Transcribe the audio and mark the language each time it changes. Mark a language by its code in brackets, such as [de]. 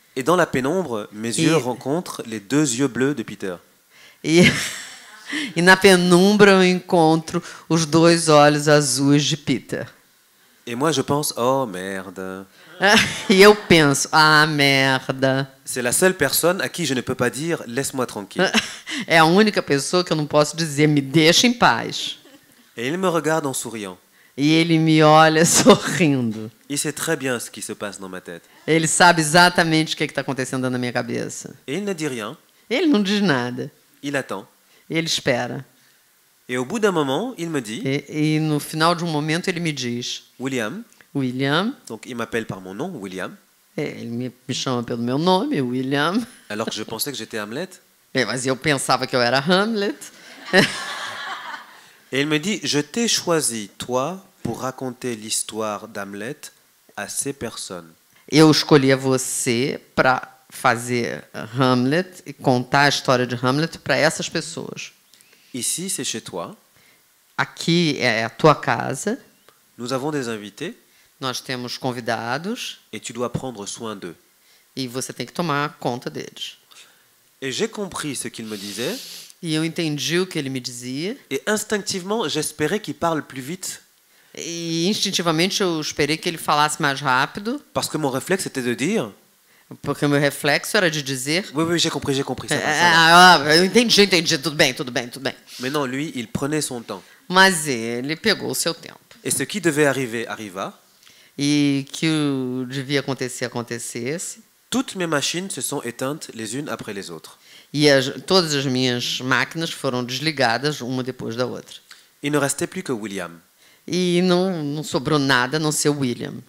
[fr] Et dans la pénombre, mes yeux rencontrent les deux yeux bleus de Peter. [pt] E na penumbra eu encontro os dois olhos azuis de Peter. [fr] Et moi je pense, oh merde. [pt] E eu penso, ah merda. [fr] C'est la seule personne à qui je ne peux pas dire laisse-moi tranquille. [pt] É a única pessoa que eu não posso dizer me deixa em paz. [fr] Et il me regarde en souriant. [pt] E ele me olha sorrindo. [fr] Il sait très bien ce qui se passe dans ma tête. [pt] Ele sabe exatamente o que está acontecendo na minha cabeça. [fr] Et il ne dit rien. [pt] Ele não diz nada. [fr] Il attend. [pt] Ele espera. [fr] Et au bout d'un moment, il me dit. [pt] E no final de momento ele me diz. [fr] William. Donc il m'appelle par mon nom, William. [pt] Ele me chama pelo meu nome, William. [fr] Alors que je pensais que j'étais Hamlet. [pt] Mas eu pensava que eu era Hamlet. [fr] Et il me dit, je t'ai choisi, toi, pour raconter l'histoire d'Hamlet à ces personnes. [pt] Eu escolhi a você para fazer Hamlet e contar a história de Hamlet para essas pessoas. [fr] Ici, c'est chez toi. [pt] Aqui é a tua casa. [fr] Nous avons des invités. [pt] Nós temos convidados. [fr] Et tu dois prendre soin d'eux. [pt] E você tem que tomar conta deles. [fr] Et j'ai compris ce qu'il me disait. [pt] E eu entendi o que ele me dizia. [fr] Et instinctivement, j'espérais qu'il parle plus vite. [pt] E instintivamente eu esperei que ele falasse mais rápido. [fr] Parce que mon réflexe était de dire. [pt] Porque meu reflexo era de dizer. [fr] Oui, oui, j'ai compris ça. [pt] Eu entendi, tudo bem. [fr] Mais non, lui, il prenait son temps. [pt] Mas ele pegou o seu tempo. [fr] Et ce qui devait arriver arriva. [pt] E que devia acontecer acontecesse. [fr] Toutes mes machines se sont éteintes les unes après les autres. [pt] E todas as minhas máquinas foram desligadas uma depois da outra. [fr] Il ne restait plus que William. [pt] E não sobrou nada a não ser William.